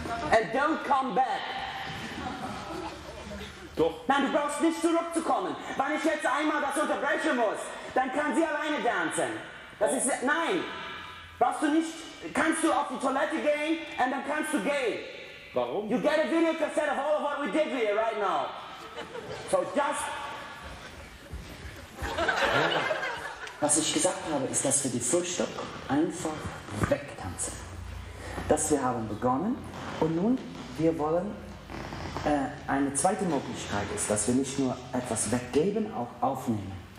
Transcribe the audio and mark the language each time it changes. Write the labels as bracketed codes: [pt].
[en] And don't come back. [de] Doch. Nein, du brauchst nicht zurückzukommen. Wenn ich jetzt einmal das unterbrechen muss, dann kann sie alleine tanzen. Das ist, nein, brauchst du nicht, kannst du auf die Toilette gehen und dann kannst du gehen. Warum? [en] You get a video cassette of all of what we did here right now. So just. [de] Was ich gesagt habe, ist, dass wir die Frühstück einfach wegtanzen. Dass wir haben begonnen und nun, wir wollen, eine zweite Möglichkeit ist, dass wir nicht nur etwas weggeben, auch aufnehmen.